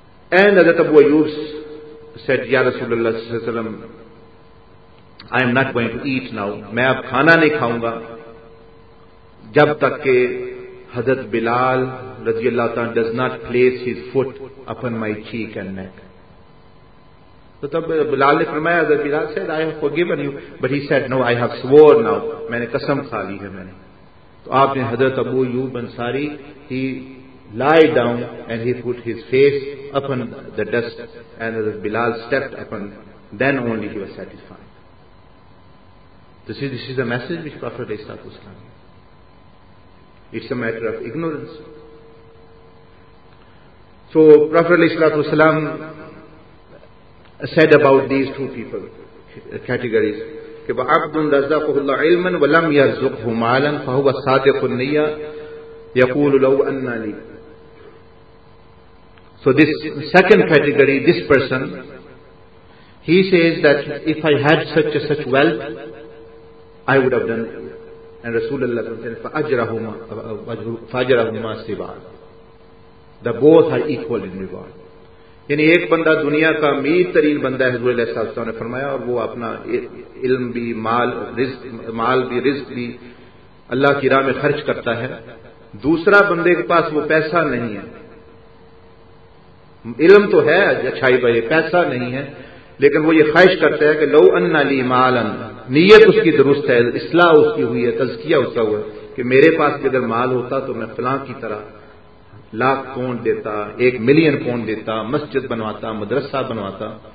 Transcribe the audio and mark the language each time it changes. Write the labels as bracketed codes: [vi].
[en] And Hazrat Abu Ayyub said, Ya Rasulullah sallallahu alaihi wasallam, I am not going to eat now. [ur] Main ab khana nahi khaunga jab tak ke [en] Hazrat Bilal رضی اللہ تعالیٰ does not place his foot upon my cheek and neck. [ur] تو تب بلال نے فرمایا, [en] حضرت Bilal said, I have forgiven you, but he said, no, I have swore now. [ur] میں نے قسم کھا لی ہے. میں نے تو آپ نے حضرت ابو ایوب انصاری ہی [en] lie down and he put his face upon the dust and as Bilal stepped upon, then only he was satisfied. This is the message which Prophet ﷺ gave. It's a matter of ignorance. So Prophet ﷺ said about these two people, categories, [ar] عَبْدٌ رَزَّقُهُ اللَّهُ عِلْمًا وَلَمْ يَرْزُقْهُ مَعَلًا فَهُوَ صَادِقُ النِّيَّةِ يَقُولُ لَوْ أَنَّا لِي. [en] So this second category, this person, he says that if I had such wealth, I would have done it. And Rasulullah said, [ar] فَأَجْرَهُمَا سِوَانَ. [en] The both are equal in reward. [ur] یعنی ایک بندہ دنیا کا امیر ترین بندہ ہے حضور علیہ السلام نے فرمایا, اور وہ اپنا علم بھی مال بھی رزق بھی اللہ کی راہ میں خرچ کرتا ہے. دوسرا بندے کے پاس وہ پیسہ نہیں ہے, علم تو ہے اچھائی بھائی, پیسہ نہیں ہے, لیکن وہ یہ خواہش کرتا ہے کہ لو ان لی مالن, نیت اس کی درست ہے, اصلاح اس کی ہوئی ہے, تزکیہ اس کا ہوا ہے کہ میرے پاس اگر مال ہوتا تو میں فلاں کی طرح لاکھ پونڈ دیتا, ایک ملین پونڈ دیتا, مسجد بنواتا, مدرسہ بنواتا.